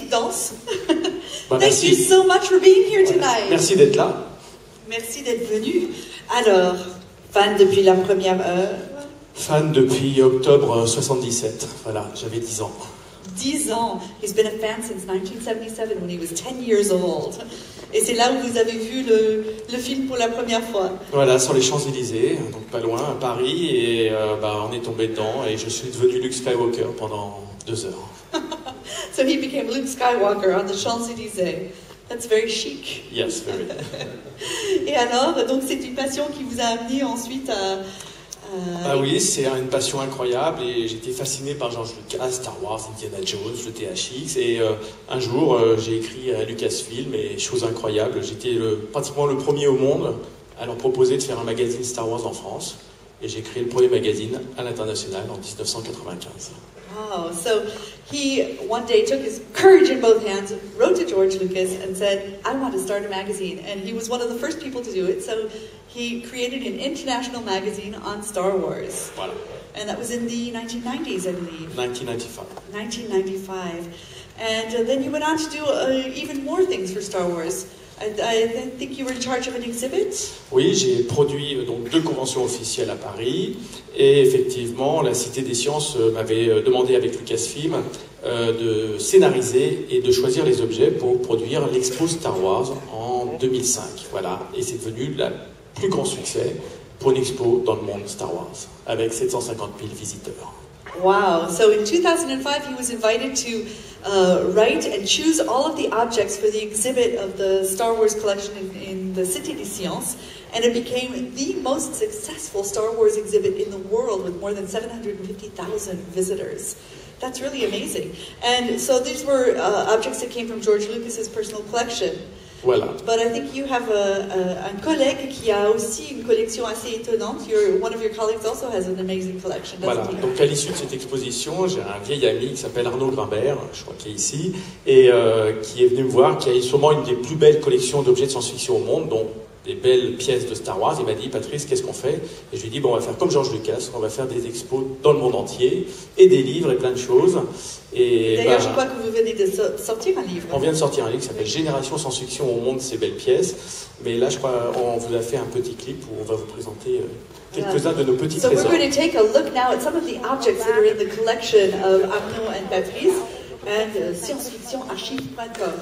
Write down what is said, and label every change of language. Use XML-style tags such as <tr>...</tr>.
<en>Thank you so much for being here tonight.</en> <fr>Merci d'être là. Merci d'être venu. Alors, fan depuis la première heure. Fan depuis octobre 77. Voilà, j'avais 10 ans. 10 ans.</fr> <en>He's been a fan since 1977 when he was 10 years old.</en> <fr>Et c'est là où vous avez vu le film pour la première fois. Voilà, sur les Champs-Élysées, donc pas loin, à Paris. Et on est tombé dedans et je suis devenu Luke Skywalker pendant 2 heures.</fr> <en>So he became Luke Skywalker on the Champs-Élysées. That's very chic. Yes, very.</en> <fr>Et alors, donc c'est une passion qui vous a amené ensuite à Bah oui, c'est une passion incroyable et j'étais fasciné par George Lucas, Star Wars, Indiana Jones, le THX. Et un jour, j'ai écrit à Lucasfilm et chose incroyable, j'étais pratiquement le premier au monde à leur proposer de faire un magazine Star Wars en France. Et j'ai créé le premier magazine à l'international en 1995.</fr> <en>Wow, so he one day took his courage in both hands, wrote to George Lucas and said, I want to start a magazine. And he was one of the first people to do it, so he created an international magazine on Star Wars.</en> <fr>Voilà.</fr> <en>And that was in the 1990s, I believe.</en> <fr>1995.</fr> <en>And then you went on to do even more things for Star Wars. I think you were in charge of an exhibit.</en> <fr>Oui, j'ai produit donc deux conventions officielles à Paris, et effectivement, la Cité des Sciences m'avait demandé avec Lucasfilm de scénariser et de choisir les objets pour produire l'expo Star Wars en 2005. Voilà, et c'est devenu le plus grand succès pour une expo dans le monde Star Wars, avec 750 000 visiteurs.</fr> <en>Wow, so in 2005, he was invited to write and choose all of the objects for the exhibit of the Star Wars collection in the Cité des Sciences, and it became the most successful Star Wars exhibit in the world with more than 750,000 visitors. That's really amazing. And so these were objects that came from George Lucas's personal collection.</en> <fr>Voilà.</fr> <en>But I think you have</en> <fr>un collègue qui a aussi une collection assez étonnante.</fr> <en>One of your colleagues also has an amazing collection.</en> <fr>Voilà.</fr> <en>He?</en> <fr>Donc à l'issue de cette exposition, j'ai un vieil ami qui s'appelle Arnaud Grimbert, je crois qu'il est ici, et qui est venu me voir, qui a sûrement une des plus belles collections d'objets de science-fiction au monde, dont des belles pièces de Star Wars. Il m'a dit, Patrice, qu'est-ce qu'on fait? Et je lui ai dit, bon, on va faire comme George Lucas, on va faire des expos dans le monde entier, et des livres, et plein de choses. Et, d'ailleurs, je crois que vous venez de sortir un livre. On vient de sortir un livre qui s'appelle Génération Science-Fiction au monde, ces belles pièces. Mais là, je crois qu'on vous a fait un petit clip où on va vous présenter quelques-uns de nos petits trésors. Donc, on va prendre un</fr> <en>look now at some of the objects that are in the collection of Arnaud and Patrice, and sciencefictionarchive.com.</en>